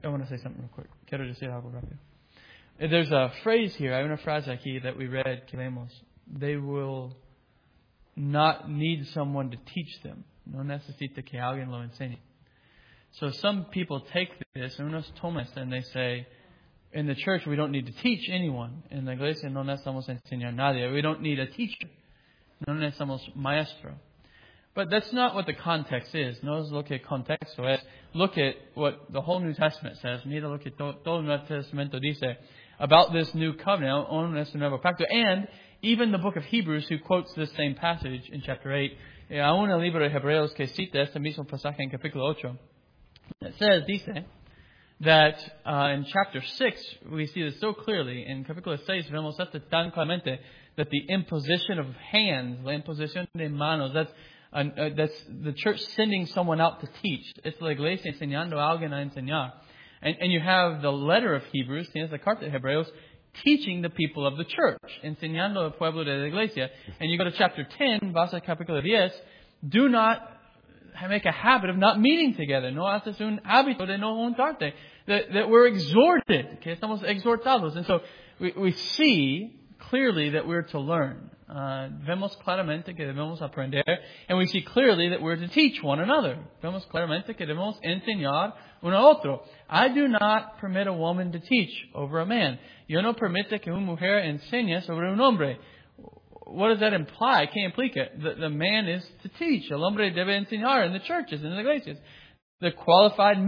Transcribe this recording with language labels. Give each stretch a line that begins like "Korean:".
English: I want to say something real quick.
Spanish: Quiero decir algo rápido.
English: There's a phrase here.
Spanish: Hay una frase aquí
English: that we read,
Spanish: que leemos.
English: They will not need someone to teach them.
Spanish: No necesita que alguien lo enseñe.
English: So some people take this, and
Spanish: unos toman esto,
English: and they say, in the church, we don't need to teach anyone.
Spanish: En la iglesia no necesitamos enseñar a nadie.
English: We don't need a teacher.
Spanish: No necesitamos maestro.
English: But that's not what the context is.
Spanish: No es lo que contexto es.
English: Look at what the whole New Testament says.
Spanish: Mira lo que todo el Nuevo Testamento dice
English: about this new covenant, on
Spanish: este nuevo pacto.
English: And even the book of Hebrews, who quotes this same passage in chapter 8,
Spanish: aún el libro de Hebreos que cita este mismo pasaje en capítulo 8,
English: it says,
Spanish: dice,
English: that in chapter 6, we see this so clearly.
Spanish: In capítulo 6, vemos esto tan claramente,
English: that the imposition of hands,
Spanish: la imposición de manos,
English: that's that's the church sending someone out to teach.
Spanish: Es la iglesia enseñando a alguien a enseñar.
English: And you have the letter of Hebrews,
Spanish: tienes la carta de Hebreos,
English: teaching the people of the church,
Spanish: enseñando al pueblo de la iglesia.
English: And you go to chapter 10,
Spanish: vas a capítulo 10,
English: do not make a habit of not meeting together.
Spanish: No haces un hábito de no juntarte.
English: That we're exhorted. Okay?
Spanish: Estamos exhortados.
English: And so we see clearly that we're to learn.
Spanish: Vemos claramente que debemos aprender.
English: And we see clearly that we're to teach one another.
Spanish: Vemos claramente que debemos enseñar uno a otro.
English: I do not permit a woman to teach over a man.
Spanish: Yo no permito que una mujer enseñe sobre un hombre.
English: What does that imply?
Spanish: ¿Qué implica?
English: The man is to teach.
Spanish: El hombre debe enseñar
English: in the churches, in the
Spanish: iglesias.
English: The qualified men.